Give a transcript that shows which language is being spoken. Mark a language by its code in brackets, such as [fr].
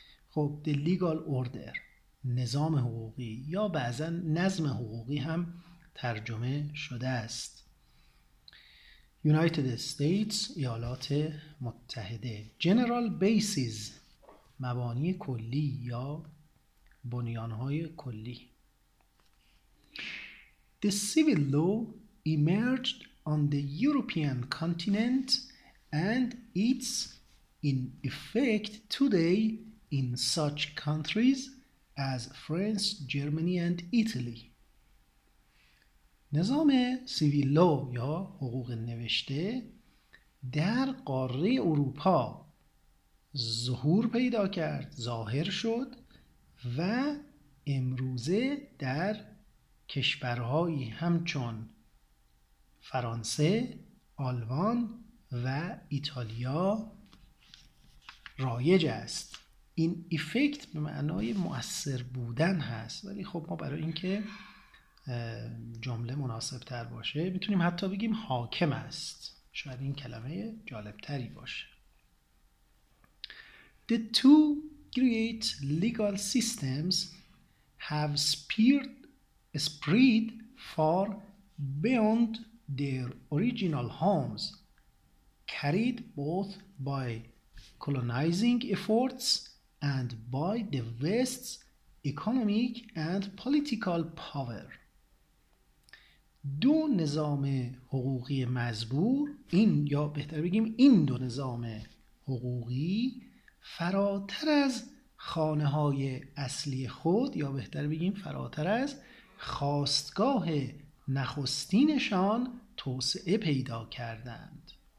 [fa] خب the legal order، نظام حقوقی یا بعضا نظم حقوقی هم ترجمه شده است. United States، ایالات متحده. general basis، مبانی کلی یا بنیانهای کلی. [en] The civil law emerged on the European continent and it's in effect today in such countries as France, Germany and Italy. [fa] نظام سیویل لا یا حقوق نوشته در قاره اروپا ظهور پیدا کرد، ظاهر شد و امروزه در کشورهایی همچون فرانسه، آلمان و ایتالیا رایج است. این افکت به معنای مؤثر بودن هست، ولی خب ما برای اینکه جمله مناسب تر باشه میتونیم حتی بگیم حاکم است، شاید این کلمه جالب تری باشه. [en] The two great legal systems have spread far beyond their original homes, carried both by colonizing efforts and by the West's economic and political power. [fa] دو نظام حقوقی مزبور، این یا بهتر بگیم این دو نظام حقوقی فراتر از خانه های اصلی خود، یا بهتر بگیم فراتر از خواستگاه نخستینشان توسعه پیدا کردند.